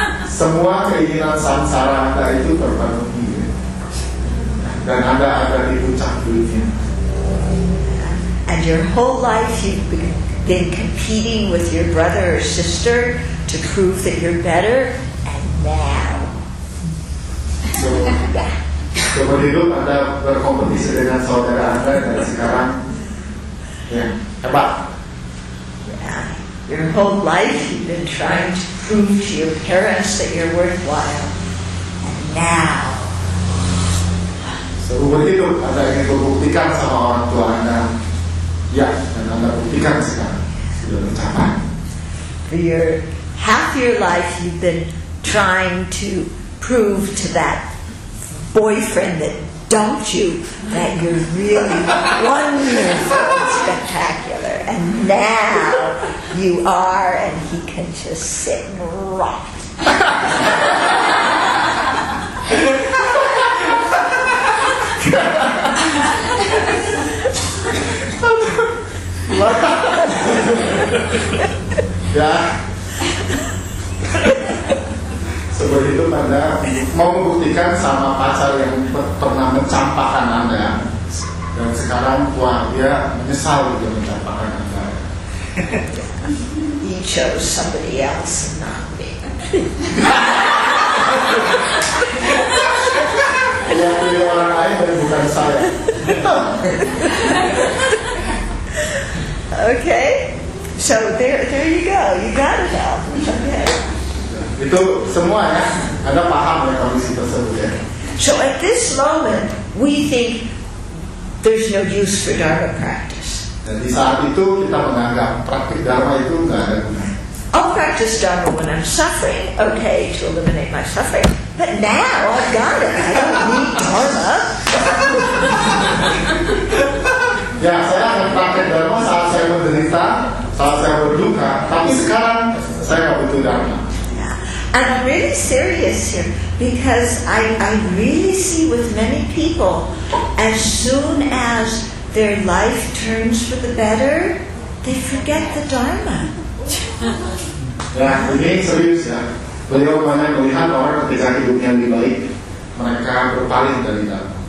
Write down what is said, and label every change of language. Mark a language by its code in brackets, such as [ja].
[id] Semua keinginan samsara Anda itu terpenuhi. Dan Anda ada di puncak dunia. [en] And your whole life you've been competing with your brother or sister to prove that you're better, and now. [id] So, seumur hidup Anda berkompetisi dengan saudara Anda dan sekarang, ya, hebat. [en] Yeah. Your whole life you've been trying to prove to your parents that you're worthwhile, and now. [id] Seumur hidup Anda ingin membuktikan sama orang tua Anda, ya, dan Anda buktikan sekarang sudah mencapai. [en] For your half your life you've been trying to prove to that boyfriend that dumped you that you're really wonderful, spectacular, and now you are, and he can just sit and rot. [id] Ya, seperti itu Anda mau membuktikan sama pacar yang pernah mencampakkan Anda dan sekarang tua dia menyesal dia mencampakkan Anda. [en] He chose somebody else, not me. [id] Dia pilih orang lain dan bukan saya. [en] Okay, so there you go. You got it, Albert. Okay. [id] Itu semua ya. Anda paham ya kondisi tersebut ya. [en] So at this moment, we think there's no use for dharma practice. [id] Dan di saat itu kita menganggap praktik dharma itu enggak ada gunanya. [en] I'll practice dharma when I'm suffering, okay, to eliminate my suffering. But now I've got it. I don't need dharma. [id] Ya, saya akan praktek dharma saat saya menderita, saat saya berduka, tapi sekarang saya enggak butuh dharma. [en] Yeah. I'm really serious here because I really see with many people as soon as their life turns for the better, they forget the dharma. [id] Ya, ini serius ya. Beliau banyak melihat orang ketika hidupnya lebih baik, mereka berpaling dari dharma.